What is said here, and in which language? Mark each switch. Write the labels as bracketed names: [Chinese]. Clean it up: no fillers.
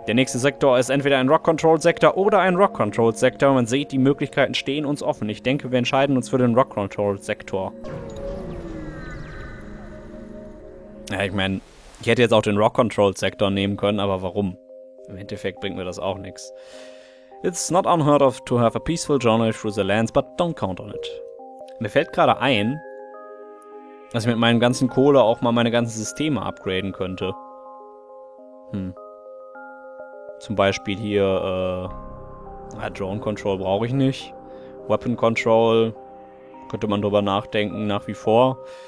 [German] Der nächste Sektor ist entweder ein Rock-Control-Sektor oder ein Rock-Control-Sektor. Man sieht, die Möglichkeiten stehen uns offen. Ich denke, wir entscheiden uns für den Rock-Control-Sektor. Ja, ich meine, ich hätte jetzt auch den Rock-Control-Sektor nehmen können, aber warum? Im Endeffekt bringt mir das auch nichts. [English] It's not unheard of to have a peaceful journey through the lands, but don't count on it. [German] Mir fällt gerade ein, dass ich mit meinen ganzen Kohle auch mal meine ganzen Systeme upgraden könnte. Zum Beispiel hier, Drone Control brauche ich nicht. Weapon Control könnte man drüber nachdenken nach wie vor.